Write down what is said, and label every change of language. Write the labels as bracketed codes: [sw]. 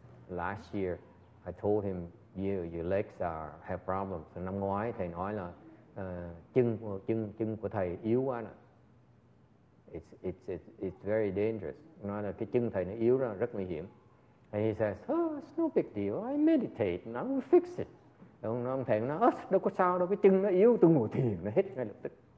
[en] last year I told him your legs are have problems. [vi] So năm ngoái thầy nói là chân của thầy yếu quá nè. [en] It's very dangerous. [vi] Nói là cái chân thầy nó yếu ra rất nguy hiểm. [en] And he says, oh, it's no big deal. I meditate and I will fix it. [vi] Ông thầy nói, oh, đâu có sao đâu, cái chân nó yếu, tôi ngồi thiền nó hết ngay lập tức.